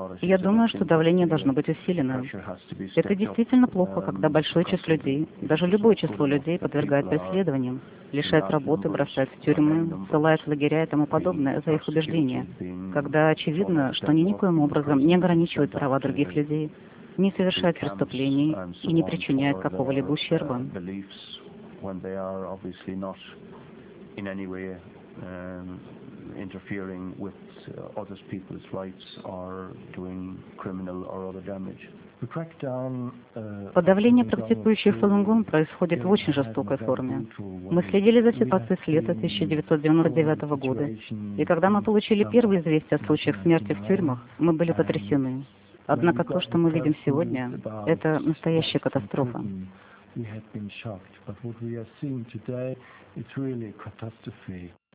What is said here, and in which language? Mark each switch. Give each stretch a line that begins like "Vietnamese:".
Russian: Я думаю, что давление должно быть усилено. Это действительно плохо, когда большое число людей, даже любое число людей, подвергают преследованиям, лишают работы, бросают в тюрьмы, ссылают в лагеря и тому подобное за их убеждения, когда очевидно, что они никоим образом не ограничивают права других людей, не совершают преступлений и не причиняют какого-либо ущерба.
English: When they are obviously not in any way interfering with other people's rights or doing criminal or other damage.
Russian: Подавление практикующих фалунгун происходит в очень жестокой форме. Мы следили за ситуацией с лета 1999 года, и когда мы получили первые известия о случаях смерти в тюрьмах, мы были потрясены. Однако то, что мы видим сегодня, это настоящая катастрофа.
English: We had been shocked, but what we are seeing today, it's really a catastrophe.